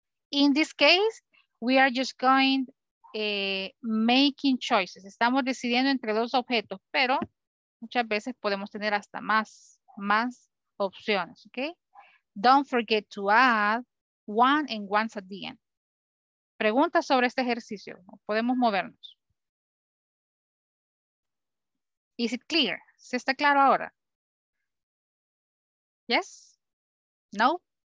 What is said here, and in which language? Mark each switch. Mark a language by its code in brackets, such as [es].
[en] In this case, we are just going making choices. [es] Estamos decidiendo entre dos objetos, pero muchas veces podemos tener hasta más opciones, okay? [en] Don't forget to add one and once at the end. [es] Preguntas sobre este ejercicio, podemos movernos. [en] Is it clear? [es] ¿Se está claro ahora? [en] Yes? No?